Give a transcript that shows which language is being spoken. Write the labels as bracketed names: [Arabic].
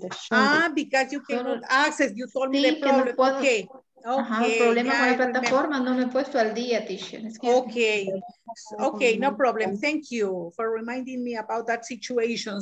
[English] Ah, because you cannot access, you told me the problem. [Spanish] No puedo. Okay. Okay. Ajá, problema con la plataforma, no me he puesto al día, teacher. [English] Okay. Okay, no problem. Thank you for reminding me about that situation.